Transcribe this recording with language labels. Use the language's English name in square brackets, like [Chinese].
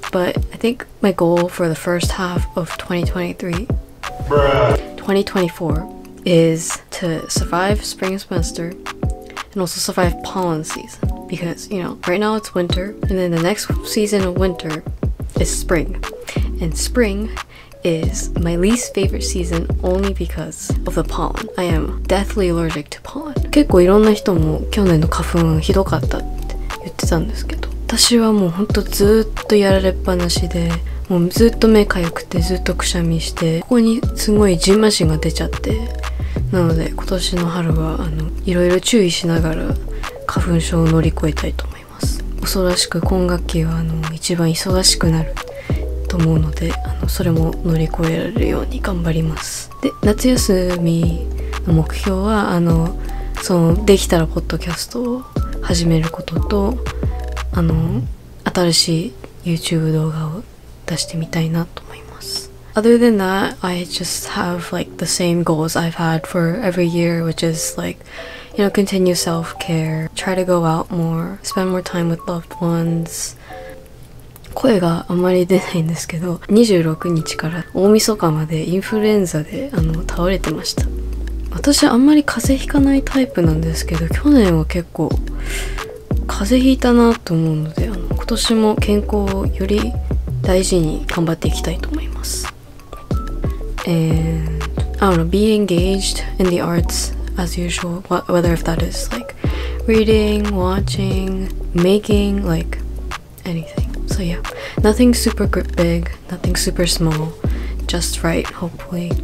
[English] But I think my goal for the first half of 2024 is to survive spring semester and also survive pollen season. Because, you know, right now it's winter, and then the next season of winter is spring. And spring is my least favorite season only because of the pollen. I am deathly allergic to pollen. [Japanese] 結構いろんな人も去年の花粉ひどかったって言ってたんですけど、私はもうほんとずっとやられっぱなしで、もうずっと目かゆくて、ずっとくしゃみして、ここにすごいジンマシンが出ちゃって、なので今年の春はいろいろ注意しながら花粉症を乗り越えたいと思います。恐ろしく今学期は一番忙しくなると思うので、それも乗り越えられるように頑張ります。で、夏休みの目標はそのできたらポッドキャストを始めることと、新しい YouTube 動画を出してみたいなと思います。 [English] Other than that, I just have like the same goals I've had for every year, which is likeyou know, continue self-care, try to go out more, spend more time with loved ones. [Japanese] 声があまり出ないんですけど、26日から大晦日までインフルエンザで倒れてました。私あんまり風邪ひかないタイプなんですけど、去年は結構風邪ひいたなと思うので、今年も健康をより大事に頑張っていきたいと思います。 [English] And, I don't know, be engaged in the arts. As usual, whether if that is like reading, watching, making, like anything. So yeah, nothing super big, nothing super small, just right, hopefully.